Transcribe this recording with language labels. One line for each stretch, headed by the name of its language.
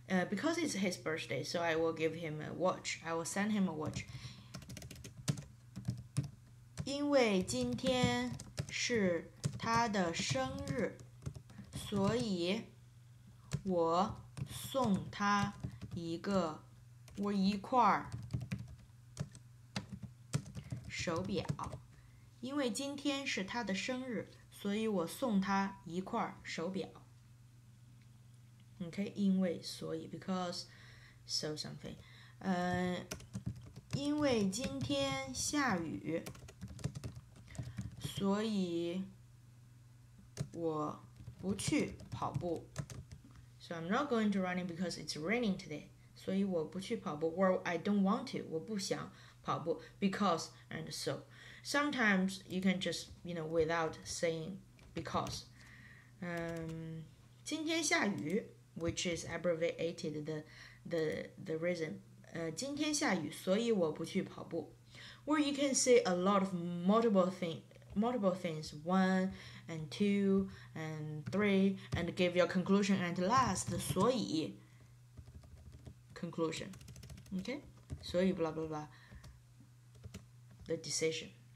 English: Because it's his birthday, so I will give him a watch. I will send him a watch.
Chinese: 因为今天是他的生日，所以我送他一个，我一块儿手表。因为今天是他的生日，所以我送他一块手表。
English: Okay,
Chinese: 因为，所以
English: ，because, so something.
Chinese: 因为今天下雨，所以我不去跑步。
English: So I'm not going to running because it's raining today.
Chinese: 所以我不去跑步。
English: Or I don't want to.
Chinese: 我不想跑步。
English: Because and so. Sometimes you can just, you know, without saying because.
Chinese: 今天下雨。
English: Which is abbreviated the reason.
Chinese: 今天下雨，所以我不去跑步。
English: Or you can say a lot of multiple things, one and two and three, and give your conclusion and last, 所以 conclusion. Okay? 所以 blah blah blah. The decision.